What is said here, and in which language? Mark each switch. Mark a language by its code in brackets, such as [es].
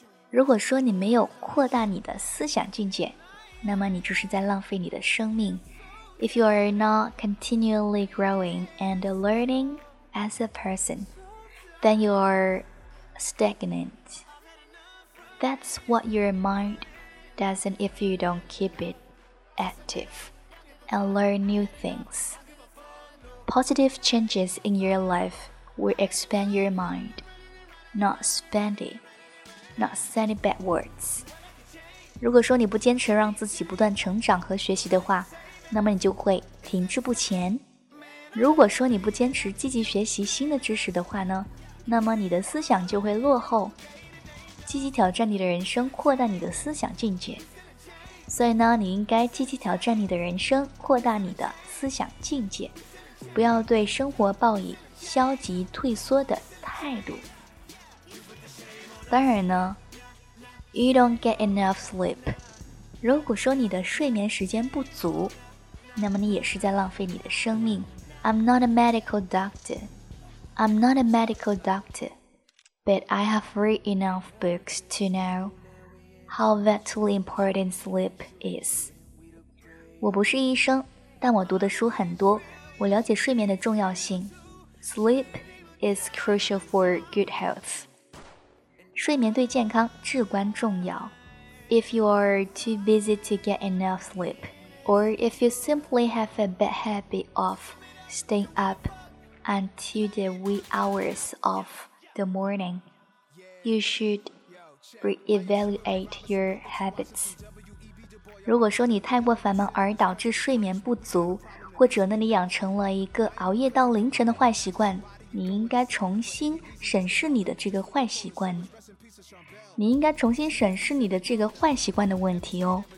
[zh] 如果说你没有扩大你的思想境界，那么你就是在浪费你的生命。 [en] If you are not continually growing and learning as a person, then you are stagnant. That's what your mind doesn't if you don't keep it active and learn new things. Positive changes in your life will expand your mind, not spend it, not send it backwards. [zh] 如果说你不坚持让自己不断成长和学习的话，那么你就会停滞不前。如果说你不坚持积极学习新的知识的话呢，那么你的思想就会落后。积极挑战你的人生，扩大你的思想境界。所以呢，你应该积极挑战你的人生，扩大你的思想境界，不要对生活抱以消极退缩的态度。当然呢， [en] You don't get enough sleep. [zh] 如果说你的睡眠时间不足，那么你也是在浪费你的生命。 [en] I'm not a medical doctor. I'm not a medical doctor. But I have read enough books to know how vitally important sleep is. [zh] 我不是医生，但我读的书很多，我了解睡眠的重要性。 [en] Sleep is crucial for good health. [zh] 睡眠对健康至关重要。 [en] If you are too busy to get enough sleep,Or if you simply have a bad habit of staying up until the wee hours of the morning, you should reevaluate your habits. [zh] 如果说你太过繁忙而导致睡眠不足，或者呢你养成了一个熬夜到凌晨的坏习惯，你应该重新审视你的这个坏习惯。你应该重新审视你的这个坏习惯的问题哦。